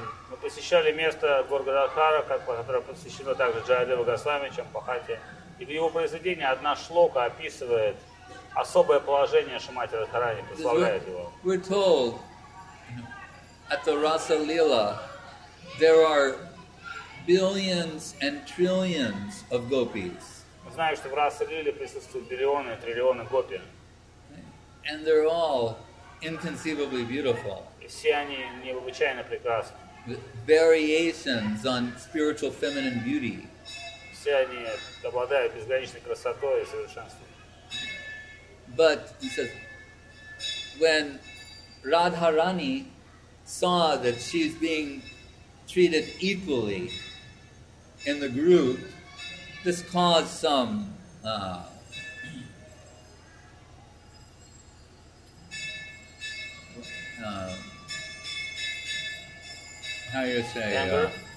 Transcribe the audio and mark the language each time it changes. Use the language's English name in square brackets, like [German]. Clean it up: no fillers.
[Russian] Мы посещали место Горгададхара, которое посвящено также Джаядеву Госвами, чем Пахати. И в его произведении одна шлока описывает особое положение Шримати Радхарани, прославляет его. [English] We're told at the Rasa Lila there are billions and trillions of gopis. [Russian] Мы знаем, что в Раса Лиле присутствуют биллионы и триллионы гопи. [English] And they're all inconceivably beautiful. [Russian] И все они необычайно прекрасны. [English] Variations on spiritual feminine beauty. [Russian] Все они обладают безграничной красотой и совершенством. [English] But he says, when Radharani saw that she's being treated equally in the group, this caused some how you say?